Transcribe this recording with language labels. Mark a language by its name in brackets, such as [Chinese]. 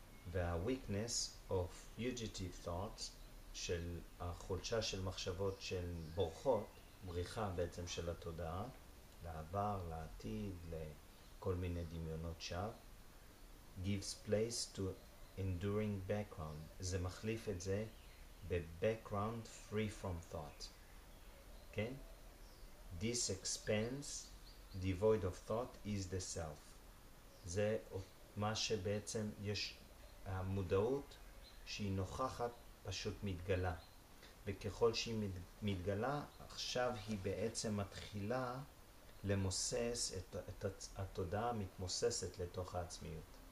[Hebrew] וה- [English] weakness of fugitive thoughts, [Hebrew] של החולשה של מחשבות של בורחות, בריחה בעצם של התודעה, לעבר, לעתיד, לכל מיני דמיונות שווא, [English] gives place to enduring background. [Hebrew] זה מחליף את זה ב- [English] background free from thought. [Hebrew] כן? [English] This expanse devoid of thought is the self. [Hebrew] זה מה שבעצם יש, המודעות שהיא נוכחת פשוט מתגלה. וככל שהיא מתגלה, עכשיו היא בעצם מתחילה למוסס את התודעה המתמוססת לתוך העצמיות.